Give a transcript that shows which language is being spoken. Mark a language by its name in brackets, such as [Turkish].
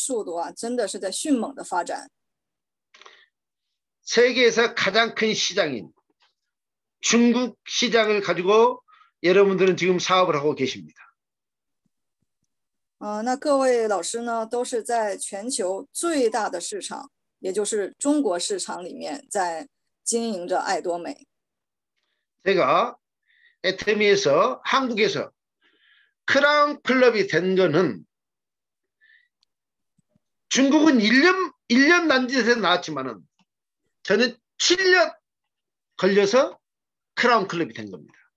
[Chinese] 这也在说明爱多美正在以迅雷不及掩耳的这样的一个速度啊，真的是在迅猛的发展。 [Korean] 세계에서 가장 큰 시장인 중국 시장을 가지고 여러분들은 지금 사업을 하고 계십니다. [Chinese] 那各位老师呢，都是在全球最大的市场。也就是中国市场里面在经营着爱多美。 [Korean] 제가 애터미에서 한국에서 크라운 클럽이 된 거는 중국은 1년 남짓에서 나왔지만은 저는 7년 걸려서 크라운 클럽이 된 겁니다.